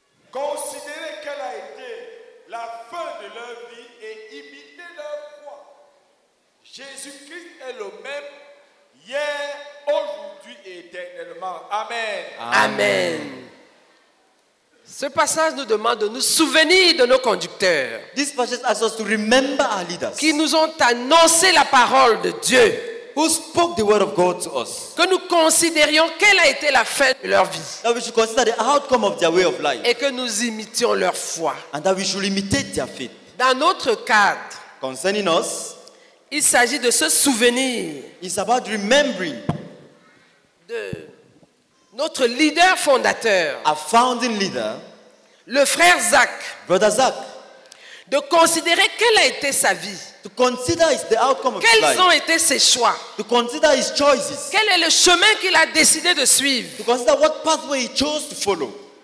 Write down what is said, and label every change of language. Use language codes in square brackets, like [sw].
[fr] Considérez quelle a été la fin de leur vie et imitez leur foi. Jésus-Christ est le même hier, aujourd'hui et éternellement. Amen. Amen. Ce passage nous demande de nous souvenir de nos conducteurs. [en] This passage asks us to remember our leaders. [fr] Qui nous ont annoncé la parole de Dieu. [en] Who spoke the word of God to us? [fr] Que nous considérions quelle a été la fin de leur vie. [en] That we should consider the outcome of their way of life. [fr] Et que nous imitions leur foi. [en] And that we should imitate their faith. [fr] Dans notre cadre. [en] Concerning us. [fr] Il s'agit de se souvenir. [en] It's about remembering. [fr] De notre leader fondateur. [en] Our founding leader. [fr] Le frère Zach. [en] Brother Zach. [fr] De considérer quelle a été sa vie. [en] To consider the outcome of [fr] quels [en] his life. [fr] Ont été ses choix. [en] To consider his choices. [fr] Quel est le chemin qu'il a décidé de suivre. [en] To consider what pathway he chose to follow.